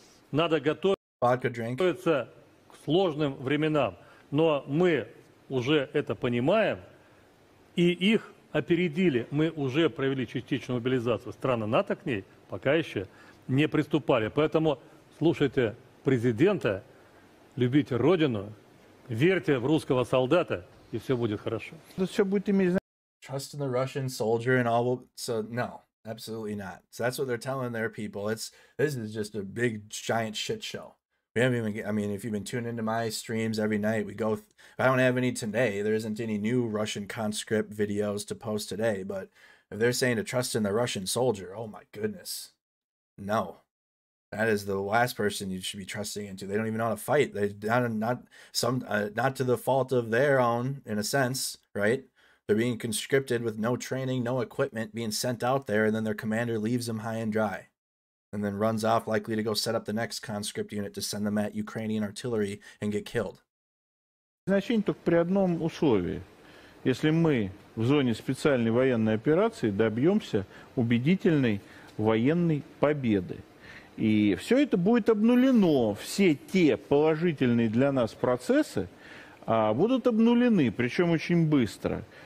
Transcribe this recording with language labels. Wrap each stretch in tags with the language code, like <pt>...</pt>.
<ru>Надо готовиться к сложным временам, но мы уже это понимаем и их опередили. Мы уже провели частичную мобилизацию. Страны НАТО к ней пока еще не приступали. Поэтому слушайте президента, любите родину, верьте в русского солдата.</ru> <en>Trust in the Russian soldier and all will, so no, absolutely not. So that's what they're telling their people. This is just a big giant shit show. If you've been tuning into my streams every night, I don't have any today. There isn't any new Russian conscript videos to post today, but if they're saying to trust in the Russian soldier, oh my goodness, no. That is the last person you should be trusting into. They don't even know how to fight. They're not to the fault of their own, in a sense, right? They're being conscripted with no training, no equipment, being sent out there, and then their commander leaves them high and dry, and then runs off likely to go set up the next conscript unit to send them at Ukrainian artillery and get killed.</en> <ru>Значение только при одном условии: если мы в зоне специальной военной операции добьемся убедительной военной победы. И все это будет обнулено, все те положительные для нас процессы будут обнулены, причем очень быстро.</ru>